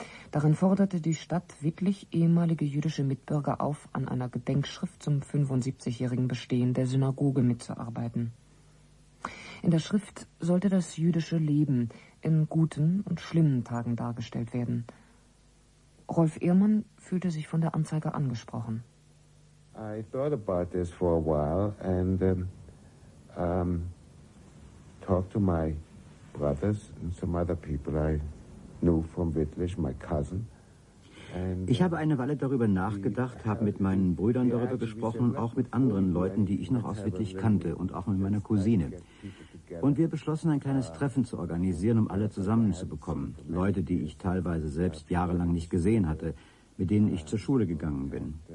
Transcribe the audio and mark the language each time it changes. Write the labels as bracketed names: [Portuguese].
[German] Darin forderte die Stadt Wittlich ehemalige jüdische Mitbürger auf, an einer Gedenkschrift zum 75-jährigen Bestehen der Synagoge mitzuarbeiten. In der Schrift sollte das jüdische Leben in guten und schlimmen Tagen dargestellt werden. Rolf Ehrmann fühlte sich von der Anzeige angesprochen. [English] I thought about this for a while and talked to my brothers and some other people I knew from Wittlich, my cousin. [German] Ich habe eine Weile darüber nachgedacht, habe mit meinen Brüdern darüber gesprochen, auch mit anderen Leuten, die ich noch aus Wittlich kannte und auch mit meiner Cousine. Und wir beschlossen, ein kleines Treffen zu organisieren, um alle zusammenzubekommen. Leute, die ich teilweise selbst jahrelang nicht gesehen hatte, mit denen ich zur Schule gegangen bin.